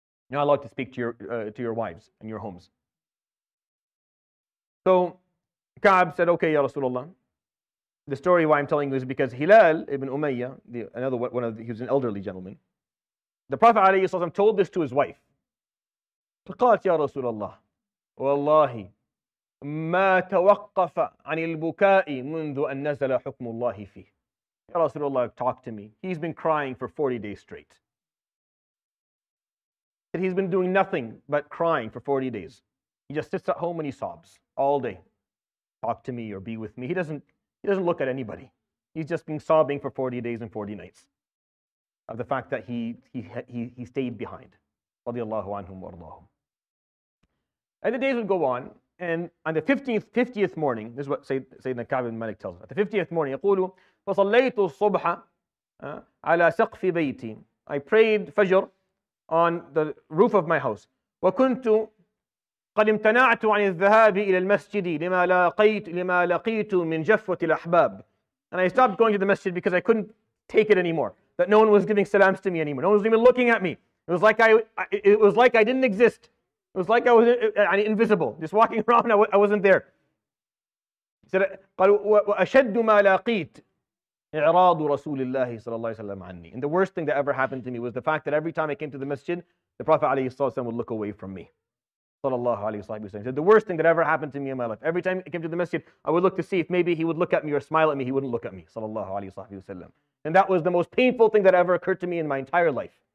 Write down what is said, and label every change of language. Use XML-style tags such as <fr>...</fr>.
<en>You're not allowed to speak to your wives and your homes. So Ka'ab said, okay, Ya Rasulullah. The story why I'm telling you is because Hilal ibn Umayyah, he was an elderly gentleman. The Prophet ﷺ told this to his wife.</en> <ar>فقالت يا رسول الله والله ما توقف عن البكاء منذ أن نزل حكم الله فيه.</ar> <en>Ya Rasulullah, talk to me. He's been crying for 40 days straight. And he's been doing nothing but crying for 40 days. He just sits at home and he sobs all day. Talk to me or be with me. He doesn't look at anybody. He's just been sobbing for 40 days and 40 nights of the fact that he stayed behind. Radiallahu anhum warallahum. And the days would go on the 50th morning, this is what Sayyidina Ka'b ibn Malik tells us. At the 50th morning,</en> <ar>يَقُولُ فَصَلَّيْتُ الصُّبْحَ عَلَى سَقْفِ بَيْتِي.</ar> <en>I prayed Fajr on the roof of my house.</en> <ar>وَكُنْتُ قَدْ امْتَنَعْتُ عَنِ الذَّهَابِ إِلَى الْمَسْجِدِ لِمَا لَقِيتُ مِنْ جَفْوَةِ الْأَحْبَابِ.</ar> <en>And I stopped going to the masjid because I couldn't take it anymore. That no one was giving salams to me anymore. No one was even looking at me. It was like I didn't exist. It was like I was invisible. Just walking around, I wasn't there. He said,</en> <ar>قَدْ وَأَشَدُّ مَا لَقِيتُ إِعْرَاضُ رَسُولِ اللَّهِ صَلَى اللَّهِ وَسَلَّمْ عَنِّي.</ar> <en>And the worst thing that ever happened to me was the fact that every time I came to the masjid, the Prophet ﷺ would look away from me. Sallallahu alayhi wa sallam. He said, the worst thing that ever happened to me in my life. Every time I came to the masjid, I would look to see if maybe he would look at me or smile at me. He wouldn't look at me. Sallallahu alayhi wa sallam. And that was the most painful thing that ever occurred to me in my entire life.</en>